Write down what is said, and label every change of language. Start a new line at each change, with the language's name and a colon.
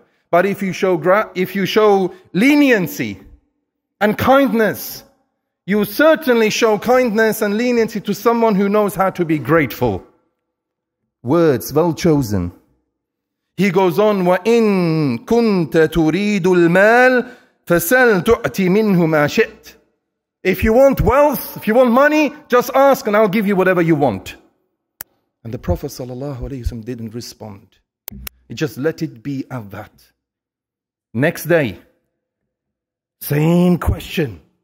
English: But if you show leniency and kindness, you certainly show kindness and leniency to someone who knows how to be grateful. Words well chosen. He goes on,
Arabic: وَإِن كُنْتَ تُرِيدُ الْمَالِ فَسَلْ تُعْتِي مِنْهُ مَا شِئْتْ.
English: If you want wealth, if you want money, just ask and I'll give you whatever you want. And the Prophet sallallahu alaihi wasallam didn't respond. He just let it be at that. Next day, same question.